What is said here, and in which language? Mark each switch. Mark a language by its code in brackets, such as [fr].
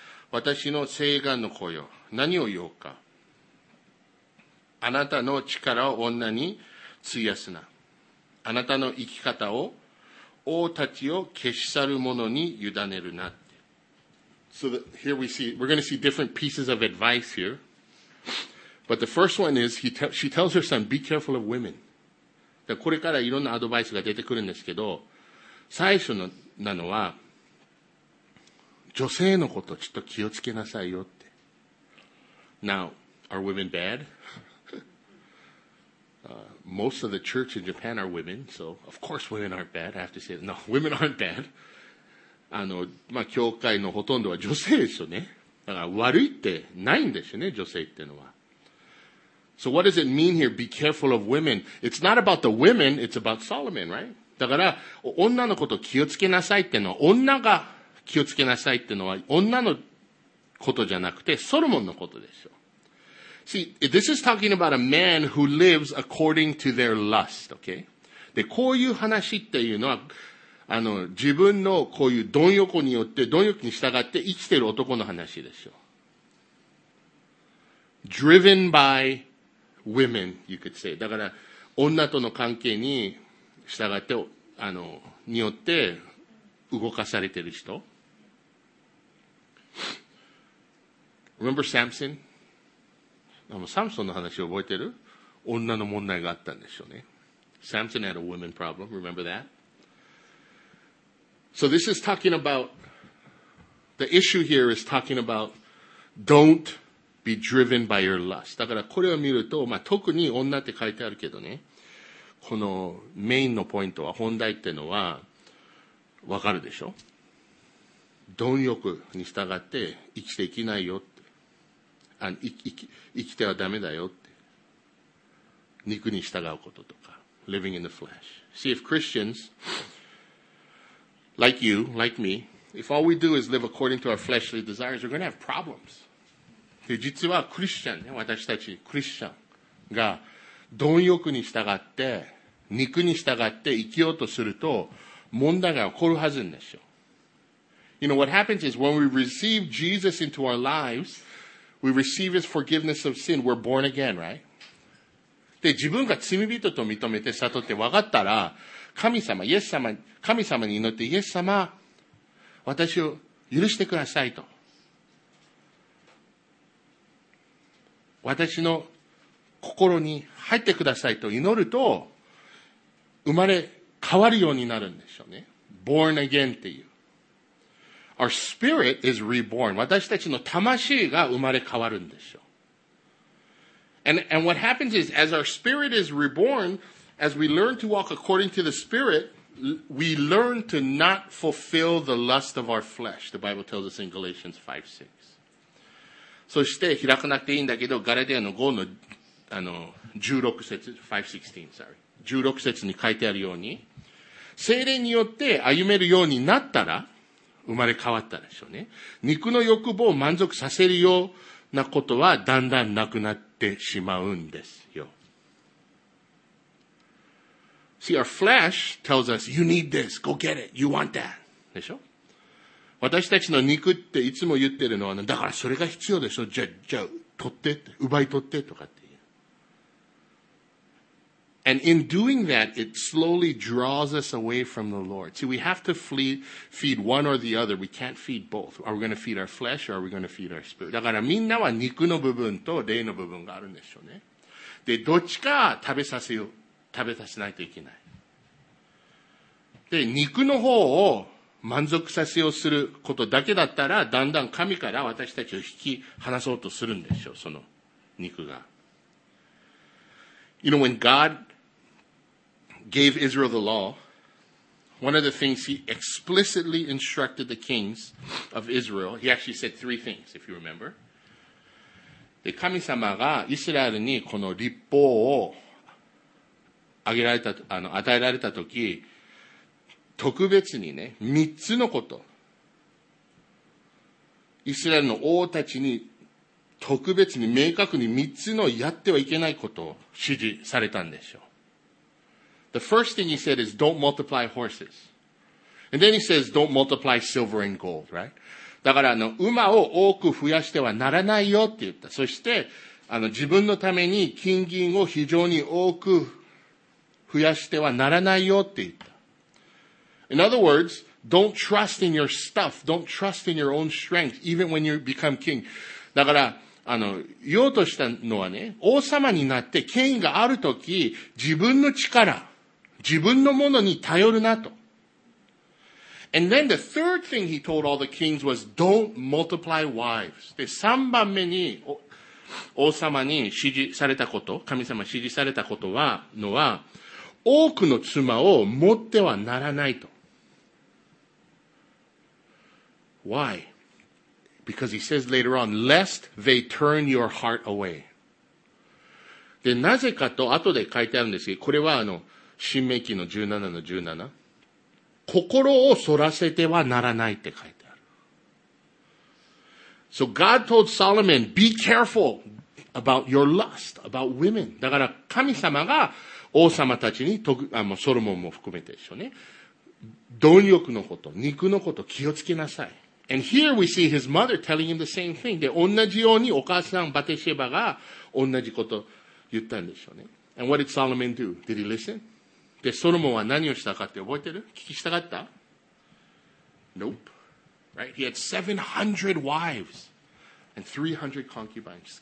[ja] 私の誓願の声よ、何を言おうか。あなたの力を女に費やすな。あなたの生き方を王たちを消し去る者に委ねるな。 [en] So here we see, we're going to see different pieces of advice here. But the first one is, she tells her son, be careful of women. [ja] これからいろんなアドバイスが出てくるんですけど、最初のなのは、女性のことちょっと気をつけなさいよって。 [en] Now, are women bad? Most of the church in Japan are women, so of course women aren't bad. I have to say that. No, women aren't bad. [ja] あの、まあ、教会のほとんどは女性ですよね。だから悪いってないんですよね、女性っていうのは。 [en] So what does it mean here? Be careful of women. It's not about the women, it's about Solomon, right? [ja] だから、女のこと気をつけなさいっていうのは、女が気をつけなさいっていうのは、女のことじゃなくて、ソロモンのことですよ。 [en] See, this is talking about a man who lives according to their lust, okay? [ja] で、こういう話っていうのは、あの、自分のこういう貪欲によって、貪欲に従って生きている男の話でしょう。 [en] Driven by women, you could say. [ja] だから、女との関係に従って、あの、によって動かされている人。 [en] Remember Samson? [ja] あの、サムソンの話覚えてる？女の問題があったんでしょうね。 [en] Samson had a woman problem, remember that? So this is talking about, the issue here is talking about don't be driven by your lust. [ja] だからこれを見ると、まあ、特に女って書いてあるけどね、このメインのポイントは、本題っていうのは、わかるでしょ？貪欲に従って生きていけないよって。生きてはダメだよって。肉に従うこととか。 [en] Living in the flesh. See, if Christians,Like you, like me, if all we do is live according to our fleshly desires, we're going to have problems. [ja] で、実はクリスチャンね、私たちクリスチャンが貪欲に従って、肉に従って生きようとすると、問題が起こるはずなんですよ。 [en] You know, what happens is when we receive Jesus into our lives, we receive his forgiveness of sin, we're born again, right? [ja] で、自分が罪人と認めて悟って分かったら、神様、イエス様、神様に祈って、イエス様、私を許してくださいと。私の心に入ってくださいと祈ると、生まれ変わるようになるんでしょうね。 [en] born again [ja] っていう。 [en] our spirit is reborn. [ja] 私たちの魂が生まれ変わるんでしょう。 [en] and what happens is, as our spirit is reborn,As we learn to walk according to the Spirit, we learn to not fulfill the lust of our flesh. The Bible tells us in Galatians 5:6. [ja] そして開かなくていいんだけど、ガラテヤの5の、あの、16節、 [en] 5:16, sorry. [ja] 16節に書いてあるように、聖霊によって歩めるようになったら、生まれ変わったでしょうね。肉の欲望を満足させるようなことはだんだんなくなってしまうんです。 [en] See, our flesh tells us, you need this, go get it, you want that. [ja] でしょ？私たちの肉っていつも言ってるのは、だからそれが必要でしょ？じゃあ、取ってって、奪い取ってとかっていう。 [en] And in doing that, it slowly draws us away from the Lord. See, we have to feed one or the other. We can't feed both. Are we going to feed our flesh or are we going to feed our spirit? [ja] だからみんなは肉の部分と霊の部分があるんでしょうね。で、どっちか食べさせよう。食べさせないといけない。で、肉の方を満足させようすることだけだったら、だんだん神から私たちを引き離そうとするんでしょう、その肉が。 [en] You know, when God gave Israel the law, one of the things he explicitly instructed the kings of Israel, he actually said three things, if you remember. [ja] で、神様がイスラエルにこの律法をあげられた、あの、与えられたとき、特別にね、三つのこと。イスラエルの王たちに特別に明確に3つのやってはいけないことを指示されたんでしょう。 [en] The first thing he said is don't multiply horses. And then he says don't multiply silver and gold, right? [ja] だから馬を多く増やしてはならないよって言った。そして自分のために金銀を非常に多く増やしてはならないよって言った。 [en] In other words, don't trust in your stuff. Don't trust in your own strength, even when you become king. [ja] だから、言おうとしたのはね、王様になって権威があるとき、自分の力、自分のものに頼るなと。 [en] And then the third thing he told all the kings was don't multiply wives. [ja] で、三番目に、王様に指示されたこと、神様指示されたことは、のは、多くの妻を持ってはならないと。 [en] Why? Because he says later on, lest they turn your heart away. [ja] で、なぜかと、後で書いてあるんですけど、これは新命記の17の17。心をそらせてはならないって書いてある。 [en] So God told Solomon, be careful about your lust, about women. [ja] だから神様が王様たちに、ソロモンも含めてでしょうね。貪欲のこと、肉のこと気をつけなさい。 [en] And here we see his mother telling him the same thing. [ja] で、同じようにお母さんバテシェバが同じこと言ったんでしょうね。 [en] And what did Solomon do? Did he listen? [ja] で、ソロモンは何をしたかって覚えてる？聞きしたかった？ [en] Nope. Right? He had 700 wives and 300 concubines.